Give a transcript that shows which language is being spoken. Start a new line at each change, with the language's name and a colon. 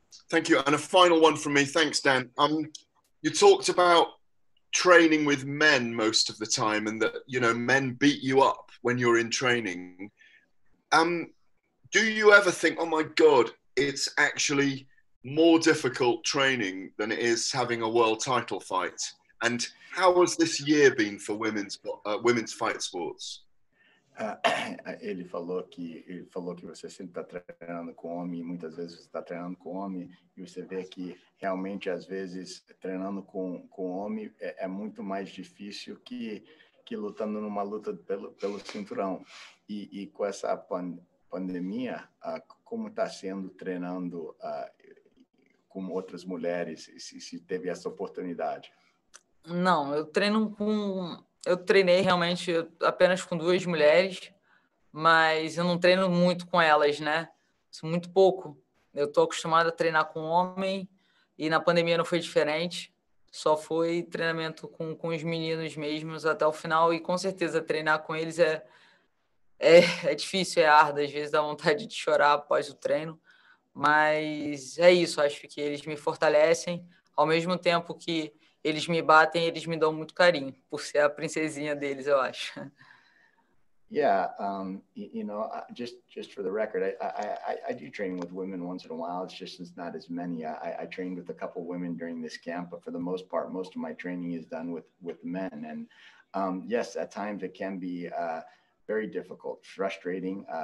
English: Thank you. And a final one from me. Thanks, Dan. You talked about training with men most of the time and that, you know, men beat you up when you're in training. Do you ever think, oh, my God, it's actually more difficult training than it is having a world title fight? And how has this year been for women's fight sports?
Portuguese: Ele falou que você sempre está treinando com homem, muitas vezes você está treinando com homem, e você vê que realmente, às vezes, treinando com homem é muito mais difícil que lutando numa luta pelo cinturão. E com essa pandemia, como está sendo treinando com outras mulheres, se teve essa oportunidade? Não, eu treinei realmente apenas com duas mulheres, mas eu não treino muito com elas, né? Muito pouco. Eu tô acostumado a treinar com homem e na pandemia não foi diferente. Só foi treinamento com os meninos mesmos até o final e com certeza treinar com eles é difícil, é árduo. Às vezes dá vontade de chorar após o treino, mas é isso. Acho que eles me fortalecem ao mesmo tempo que eles me batem, eles me dão muito carinho, por ser a princesinha deles, eu acho.
English: Yeah, you know, just for the record, I do train with women once in a while. It's just not as many. I trained with a couple women during this camp, but for the most part, most of my training is done with men. And yes, at times it can be very difficult, frustrating.